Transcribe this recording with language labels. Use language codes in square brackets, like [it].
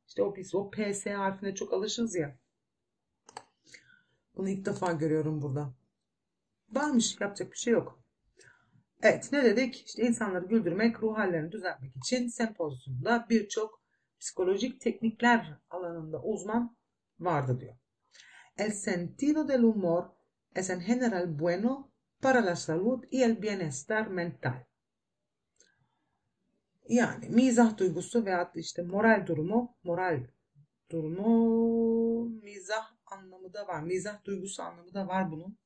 [tr] İşte o PS harfine çok alışız ya. Bunu ilk defa görüyorum burada. Varmış, yapacak bir şey yok. Evet, ne dedik? İşte insanları güldürmek, ruh hallerini düzeltmek için sempozyumda birçok psikolojik teknikler alanında uzman vardı diyor. [es] El sentido del humor es en general bueno para la salud y el bienestar mental. [tr] Yani mizah duygusu veyahut işte moral durumu mizah anlamı da var. Mizah duygusu anlamı da var bunun.